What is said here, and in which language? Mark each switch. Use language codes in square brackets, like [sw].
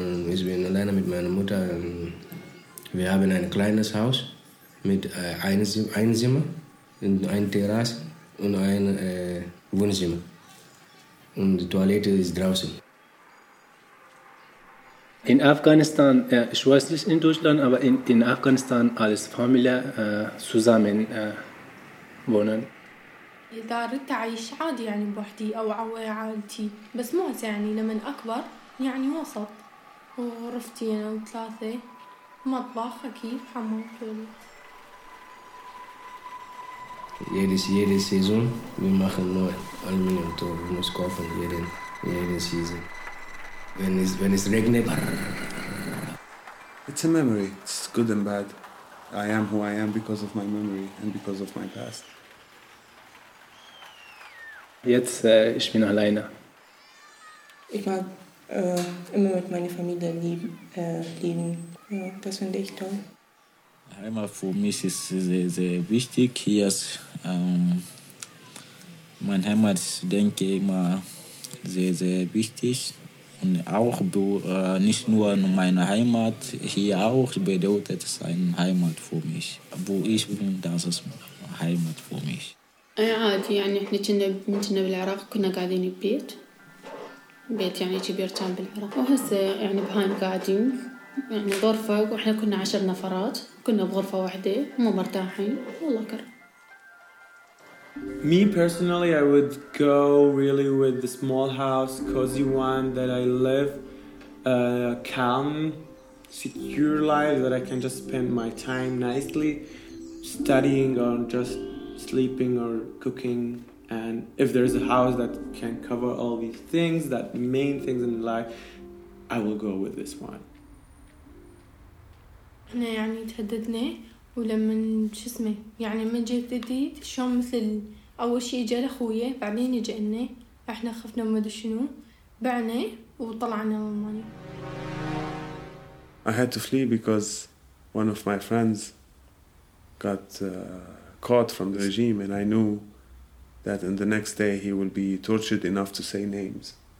[de] Ich bin alleine mit meiner Mutter. Wir haben ein kleines Haus mit einem Zimmer, eine Terrasse und ein Wohnzimmer. Und die Toilette ist draußen. In Afghanistan, ich weiß nicht in Deutschland, aber in Afghanistan als Familie zusammen wohnen. [ar] قدرت أعيش عادي يعني بوحدي أو عائلتي بس مو يعني لما أكبر يعني وسط وغرفتي أنا وثلاثة مطبخ أكيد حمام تواليت. [de] jede Saison wir machen neu Aluminium Tor wir müssen kaufen jede Saison wenn es regnet. [en] It's a memory. It's good and bad. I am who I am because of my memory and because of my past. [de] Jetzt ich bin alleine. Ich mag immer mit meiner Familie leben. Ja, das finde ich toll. Heimat für mich ist sehr, sehr wichtig. Hier ist mein Heimat, denke ich immer, sehr, sehr wichtig. Und auch nicht nur meine Heimat, hier auch bedeutet es eine Heimat für mich. Wo ich bin, das ist Heimat für mich. [ar] عادي يعني احنا كنا بالعراق كنا قاعدين ببيت بيت يعني كبير كان بالعراق وهسه يعني بهايم قاعدين يعني غرفة واحنا كنا 10 نفرات كنا بغرفة واحدة مو مرتاحين والله كرم. [en] Me personally I would go really with the small house cozy one that I live a calm secure life that I can just spend my time nicely studying or just sleeping or cooking, and if there is a house that can cover all these things, that main things in life, I will go with this one. [ar] أنا يعني تهددني ولما شو اسمه يعني من جيت جديد شو مثل أول شيء جاء أخويا بعدين جينا إحنا خفنا وما أدري شنو بعنا وطلعنا ألمانيا. [en] I had to flee because one of my friends got caught from the regime, and I knew that in the next day he will be tortured enough to say names.